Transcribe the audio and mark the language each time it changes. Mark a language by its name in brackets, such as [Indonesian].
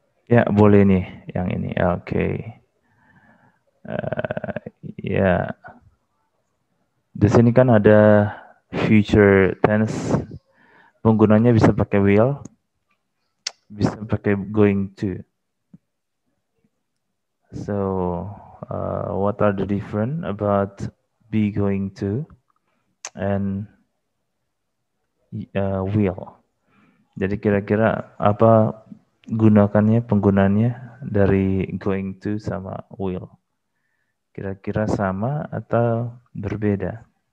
[Indonesian] Ya, boleh nih yang ini. Okay. Di sini kan ada future tense. Penggunanya bisa pakai will, bisa pakai going to. [English] So, what are the different about be going to and will? [Indonesian] Jadi kira-kira apa gunakannya, penggunaannya dari going to sama will? Kira-kira sama atau berbeda?